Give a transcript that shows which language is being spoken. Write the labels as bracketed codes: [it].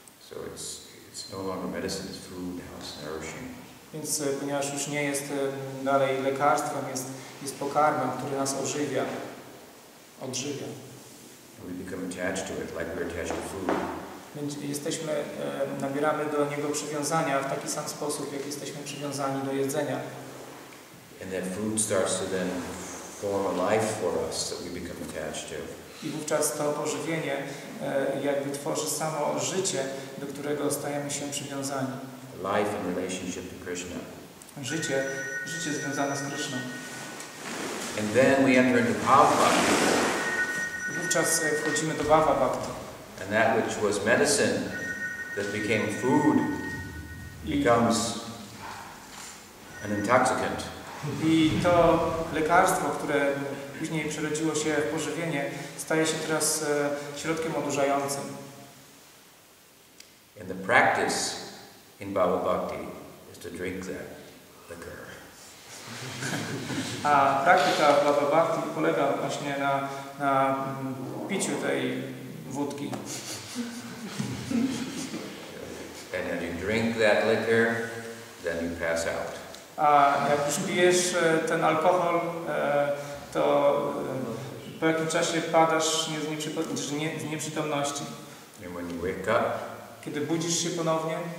[en] So it's no longer medicine, it's food, now it's nourishing. [pl] Więc ponieważ już nie jest dalej lekarstwem, jest pokarmem, który nas odżywia. [en] We become attached to it like we're attached to food. [pl] Jesteśmy, nabieramy do niego przywiązania w taki sam sposób, jak jesteśmy przywiązani do jedzenia. [en] And that food starts to then form a life for us that we become attached to. [pl] I wówczas to pożywienie jakby tworzy samo życie, do którego stajemy się przywiązani. [en] Life in relationship to Krishna. [pl] Życie związane z Krishna. [en] And then we enter into bhava. [pl] Wówczas wchodzimy do bhava bhakti. [en] And that which was medicine that became food becomes an intoxicant. [pl] I to lekarstwo, które później przerodziło się w pożywienie, staje się teraz środkiem odurzającym. [en] And the practice in bhava bhakti is to drink that liquor. [pl] A praktyka bhava bhakti polega właśnie na piciu tej wódki. [en] And if you drink that liquor, then you pass out. [pl] A jak już pijesz ten alkohol, to po jakim czasie padasz z nieprzytomności. [en] And when you wake up, [pl] kiedy budzisz się ponownie,